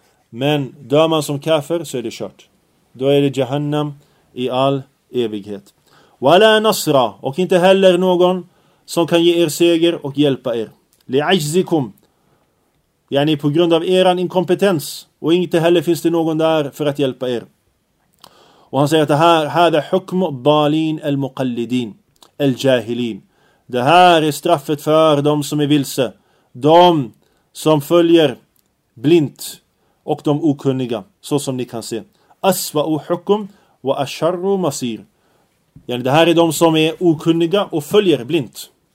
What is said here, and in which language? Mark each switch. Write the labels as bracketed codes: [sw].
[sv] Men dör man som kafir så är det kört. Då är det Jahannam i all evighet. [ar] وَلَا نَصْرَ. [sv] Och inte heller någon som kan ge er seger och hjälpa er. [ar] لِعَجْزِكُمْ. [sv] Yani på grund av eran inkompetens. Och inte heller finns det någon där för att hjälpa er. Och han säger att det här. [ar] هذا حكم الضالين المقلدين الجاهلين. [sv] Det här är straffet för de som är vilse. De som följer blint och de okunniga. Så som ni kan se. [ar] أسوأ حكم وأشر مصير. [sv] Yani det här är de som är okunniga och följer blint.